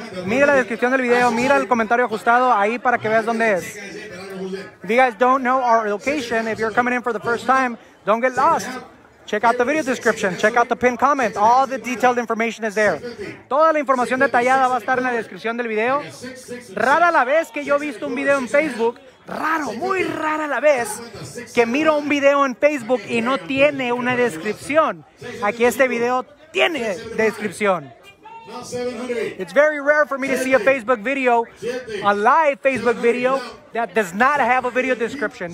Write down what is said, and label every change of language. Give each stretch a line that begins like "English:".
Spanish: Mira la descripción del video, mira el comentario ajustado ahí para que veas dónde es.
English: If you guys don't know our location, if you're coming in for the first time, don't get lost. Check out the video description, check out the pinned comment. All the detailed information is there.
Spanish: Toda la información detallada va a estar en la descripción del video. Rara la vez que yo he visto un video en Facebook, muy rara la vez que miro un video en Facebook y no tiene una descripción. Aquí este video tiene descripción.
English: It's very rare for me to see a Facebook video, a live Facebook video, that does not have a video description.